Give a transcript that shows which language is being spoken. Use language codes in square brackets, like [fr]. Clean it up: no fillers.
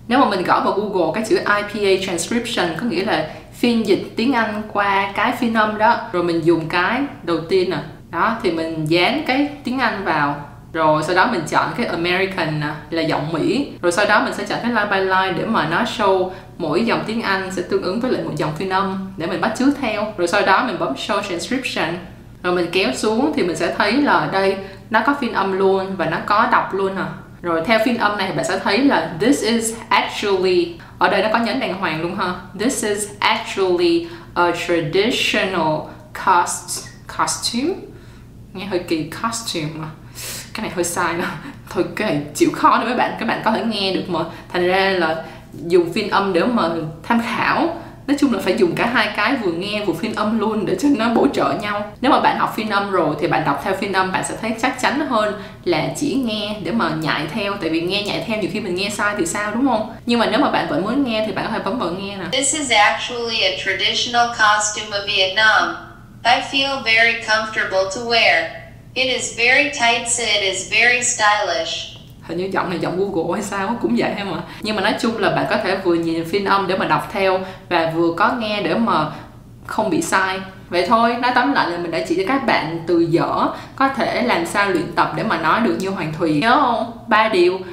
[vi] Nếu mà mình gõ vào Google cái chữ IPA transcription, có nghĩa là phiên dịch tiếng Anh qua cái phiên âm đó, rồi mình dùng cái đầu tiên nè, đó thì mình dán cái tiếng Anh vào, rồi sau đó mình chọn cái American nè, là giọng Mỹ, rồi sau đó mình sẽ chọn cái line by line để mà nó show mỗi dòng tiếng Anh sẽ tương ứng với lại một dòng phiên âm để mình bắt chước theo, rồi sau đó mình bấm show transcription. Rồi mình kéo xuống thì mình sẽ thấy là đây nó có phiên âm luôn và nó có đọc luôn à. Rồi theo phiên âm này bạn sẽ thấy là [en] this is actually, [vi] ở đây nó có nhấn đàng hoàng luôn ha. [en] This is actually a traditional costume. [vi] Nghe hơi kỳ, costume à. Cái này hơi sai nè. Thôi cái này chịu khó nữa mấy bạn, các bạn có thể nghe được mà. Thành ra là dùng phiên âm để mà tham khảo. Nói chung là phải dùng cả hai cái, vừa nghe vừa phiên âm luôn để cho nó bổ trợ nhau. Nếu mà bạn học phiên âm rồi thì bạn đọc theo phiên âm bạn sẽ thấy chắc chắn hơn là chỉ nghe để mà nhại theo. Tại vì nghe nhại theo nhiều khi mình nghe sai thì sao, đúng không? Nhưng mà nếu mà bạn vẫn muốn nghe thì bạn có thể bấm vào nghe nè. [en] This is actually a traditional costume of Vietnam. I feel very comfortable to wear. It is very tight, so it is very stylish. [vi] Hình như giọng này giọng Google hay sao cũng vậy hay mà. Nhưng mà nói chung là bạn có thể vừa nhìn phiên âm để mà đọc theo và vừa có nghe để mà không bị sai. Vậy thôi, nói tóm lại là mình đã chỉ cho các bạn từ dở có thể làm sao luyện tập để mà nói được như Hoàng Thùy. Nhớ không? Ba điều.